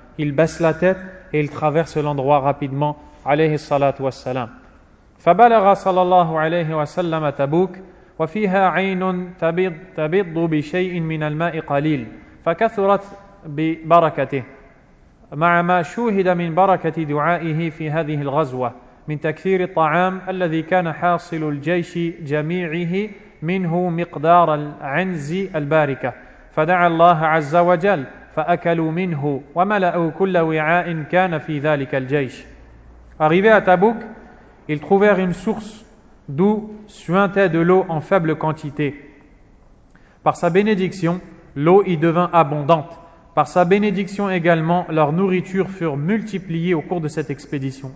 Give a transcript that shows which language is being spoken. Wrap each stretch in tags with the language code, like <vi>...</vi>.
<fr>Il baisse la tête et il traverse l'endroit rapidement, alayhi salatu wassalam. Fabalagha sallallahu alayhi wa sallam à Tabouk.</fr> <ar>وفيها عين تبيض بشيء من الماء قليل فكثرت ببركته مع ما شوهد من بركة دعائه في هذه الغزوة من تكثير الطعام الذي كان حاصل الجيش جميعه منه مقدار العنز الباركة فدعا الله عز وجل فأكلوا منه وملأوا كل وعاء كان في ذلك الجيش.</ar> <fr>Arrivé à Tabouk, ils trouvèrent une source d'où suintait de l'eau en faible quantité. Par sa bénédiction, l'eau y devint abondante. Par sa bénédiction également, leur nourriture furent multipliées au cours de cette expédition.</fr>